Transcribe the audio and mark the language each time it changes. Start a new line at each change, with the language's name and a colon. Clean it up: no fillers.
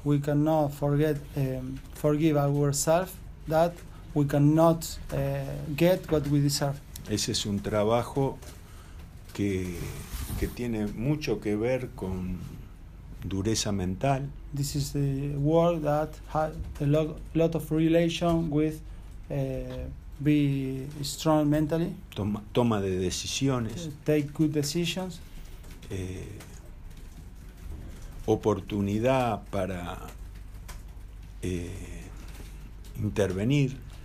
English: We cannot forgive ourselves that we cannot get what we deserve.
Spanish: Ese es un trabajo que tiene mucho que ver con dureza mental.
English: This is the work that has a lot of relation with be strong mentally.
Spanish: Toma de decisiones.
English: Take good decisions.
Spanish: Oportunidad para intervenir.